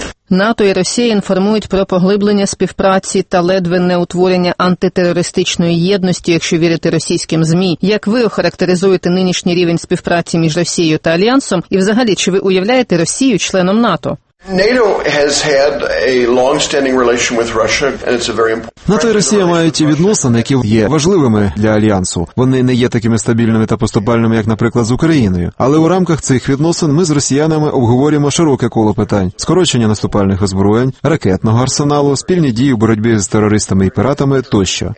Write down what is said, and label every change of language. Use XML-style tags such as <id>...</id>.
<uk>НАТО і Росія інформують про поглиблення співпраці та ледве не утворення антитерористичної єдності, якщо вірити російським ЗМІ. Як ви охарактеризуєте нинішній рівень співпраці між Росією та Альянсом? І взагалі, чи ви уявляєте Росію членом НАТО?</uk> <en>NATO has had a long-standing relation with Russia, and it's a very important.</en> <uk>НАТО і Росія мають відносини, які є важливими для альянсу. Вони не є такими стабільними та поступальними, як, наприклад, з Україною. Але у рамках цих відносин ми з росіянами обговорюємо широке коло питань: скорочення наступальних озброєнь, ракетного арсеналу, спільні дії у боротьбі з терористами і піратами тощо.</uk>